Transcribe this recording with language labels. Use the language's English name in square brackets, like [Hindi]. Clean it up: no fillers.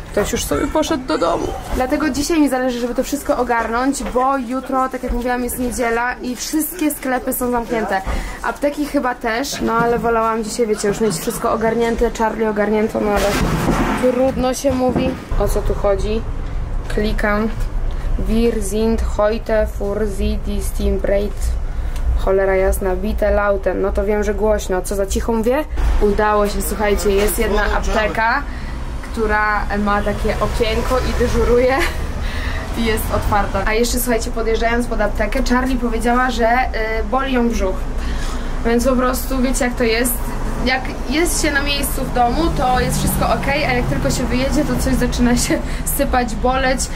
[Polish] Ktoś już sobie poszedł do domu. Dlatego dzisiaj mi zależy, żeby to wszystko ogarnąć, bo jutro, tak jak mówiłam, jest niedziela i wszystkie sklepy są zamknięte. Apteki chyba też, no ale wolałam dzisiaj, wiecie, już mieć wszystko ogarnięte, Charlie ogarnięto, no ale trudno się mówi. O co tu chodzi? Klikam. [German] Wir sind heute für Sie die Steambreit. [Polish] Cholera jasna, [German] bitte lauten. [Polish] No to wiem, że głośno. Co za cicho mówię? Udało się, słuchajcie, jest jedna apteka, która ma takie okienko i dyżuruje i jest otwarta. A jeszcze słuchajcie, podjeżdżając pod aptekę, Charlie powiedziała, że boli ją brzuch. Więc po prostu wiecie jak to jest. Jak jest się na miejscu w domu, to jest wszystko ok, a jak tylko się wyjedzie, to coś zaczyna się sypać, boleć.